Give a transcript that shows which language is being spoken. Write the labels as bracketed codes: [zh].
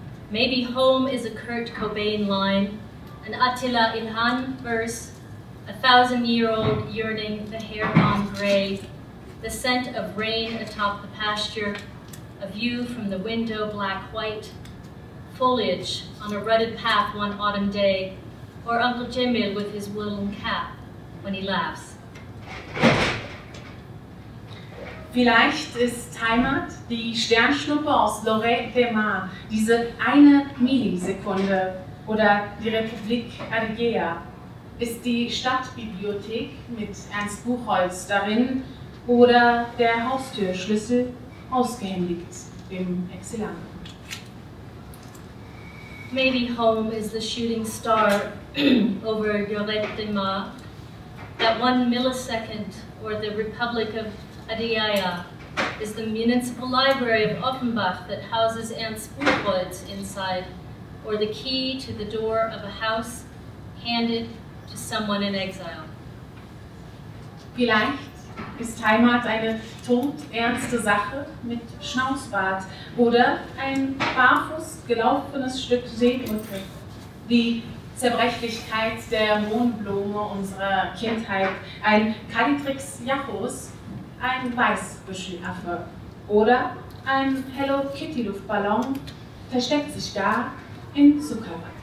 [en] Maybe home is a Kurt Cobain line, an Attila Ilhan verse, a thousand-year-old yearning, the hair gone gray, the scent of rain atop the pasture, a view from the window black-white, foliage on a rutted path one autumn day, or Uncle Jemil with his woolen cap when he laughs. [de] Vielleicht ist Heimat die Sternschnuppe aus Lorette de Mar, diese eine Millisekunde, oder die Republik Argea, ist die Stadtbibliothek mit Ernst Buchholz darin, oder der Haustürschlüssel ausgehändigt im Exilant. [en] Maybe home is the shooting star over Lorette de Mar, that one millisecond, or the Republic of Adiaya is the municipal library of Offenbach that houses Ernst Buchholz inside, or the key to the door of a house handed to someone in exile. [de] Vielleicht ist Heimat eine todernste Sache mit Schnauzbart oder ein barfuß gelaufenes Stück Seebrücke, die Zerbrechlichkeit der Mohnblume unserer Kindheit, ein Calitrix Jachos, ein Weißbüschelaffe oder ein Hello Kitty Luftballon versteckt sich da in Zuckerwatte.